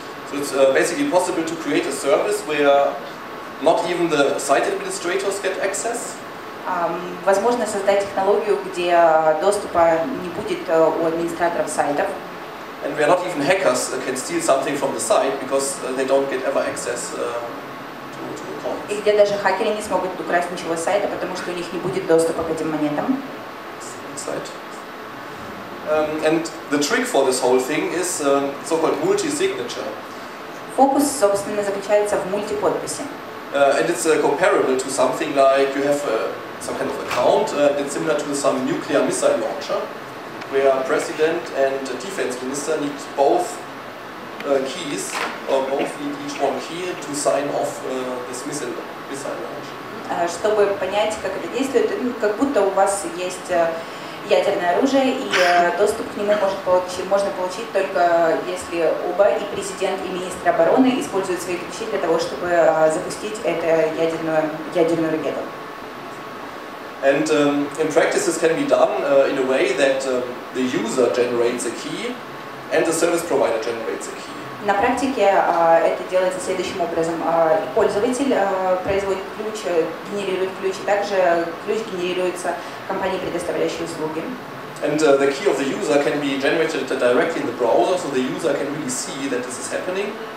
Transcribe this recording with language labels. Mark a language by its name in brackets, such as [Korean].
[English] So it's basically possible to create a service where not even the site administrators get access. [Russian] Возможно создать технологию, где доступа не будет у администраторов сайтов. [English] And where not even hackers can steal something from the site because they don't get ever access to the coins. [Russian] И где даже хакеры не смогут украсть ничего с сайта, потому что у них не будет доступа к этим монетам. [English] Inside. And the trick for this whole thing is so-called multi-signature. [Russian] Фокус, собственно, заключается в мультиподписи. [English] And it's comparable to something like you have some kind of account. It's similar to some nuclear missile launcher, where president and defense minister need both keys, or both need each one key to sign off this missile launcher. [Russian] Чтобы понять, как это действует, как будто у вас есть ядерное оружие, и доступ к нему можно получить только если оба, и президент, и министр обороны, используют свои ключи для того, чтобы запустить это ядерную ракету. [English] And in practice this can be done in a way that the user generates a key and the service provider generates a key. [Russian] На практике это делается следующим образом. Пользователь производит ключ, генерирует ключ, и также ключ генерируется компанией, предоставляющей услуги. [English] And the key of the user can be generated directly in the browser, so the user can really see that this is happening.